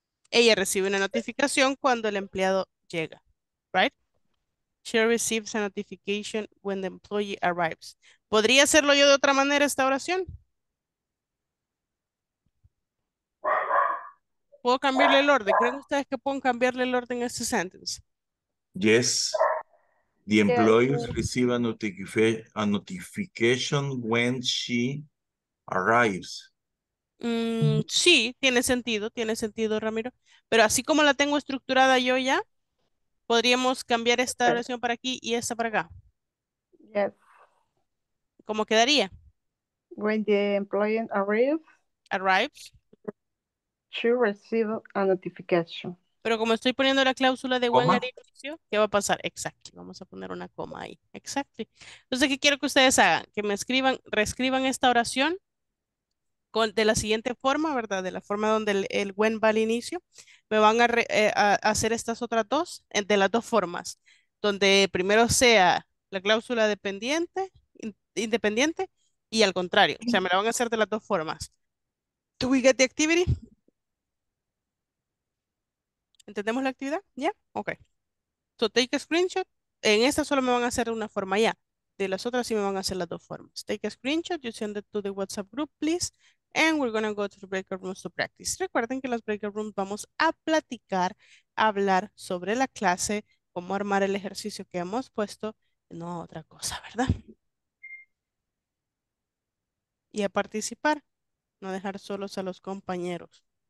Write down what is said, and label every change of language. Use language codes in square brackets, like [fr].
[es] Ella recibe una notificación cuando el empleado llega, right? [en] She receives a notification when the employee arrives. [es] ¿Podría hacerlo yo de otra manera esta oración? ¿Puedo cambiarle el orden? ¿Creen ustedes que puedo cambiarle el orden a este sentence? [en] Yes. The employee receives a notification when she arrives. [es] Sí, tiene sentido, Ramiro. Pero así como la tengo estructurada yo ya, podríamos cambiar esta oración para aquí y esta para acá. [en] Yes. [es] ¿Cómo quedaría? [en] When the employee arrives, she receives a notification. [es] Pero como estoy poniendo la cláusula de when al inicio, ¿qué va a pasar? Exacto. Vamos a poner una coma ahí. Exacto. Entonces, ¿qué quiero que ustedes hagan? Que me escriban, reescriban esta oración con, de la siguiente forma, ¿verdad? De la forma donde el when va al inicio. Me van a hacer estas otras dos, de las dos formas. Donde primero sea la cláusula dependiente, independiente, y al contrario. O sea, me la van a hacer de las dos formas. [en] Do we get the activity? ¿Entendemos la actividad? ¿Ya? Yeah? Ok. So take a screenshot. [es] En esta solo me van a hacer una forma ya. De las otras sí me van a hacer las dos formas. [en] Take a screenshot, you send it to the WhatsApp group, please. And we're going to go to the breakout rooms to practice. [es] Recuerden que en las breakout rooms vamos a platicar, a hablar sobre la clase, cómo armar el ejercicio que hemos puesto, no a otra cosa, ¿verdad? Y a participar, no dejar solos a los compañeros.